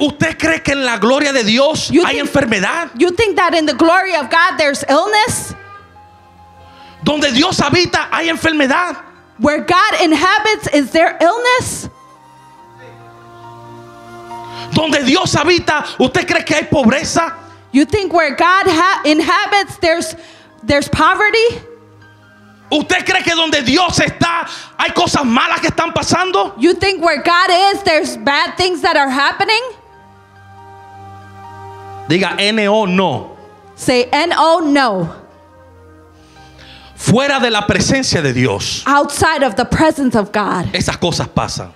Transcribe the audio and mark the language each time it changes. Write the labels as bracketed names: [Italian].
[Spanish] ¿Usted cree que en la gloria de Dios hay enfermedad? [English] You think that in the glory of God there's illness? [Spanish] ¿Donde Dios habita hay enfermedad? [English] Where God inhabits is there illness? [Spanish] ¿Donde Dios habita usted cree que hay pobreza? [English] You think where God inhabits there's poverty? [Spanish] ¿Usted cree que donde Dios está hay cosas malas que están pasando? [English] You think where God is there's bad things that are happening? [Spanish] Diga N-O no. [English] Say N-O no. [Spanish] Fuera de la presencia de Dios. [English] Outside of the presence of God. [Spanish] Esas cosas pasan.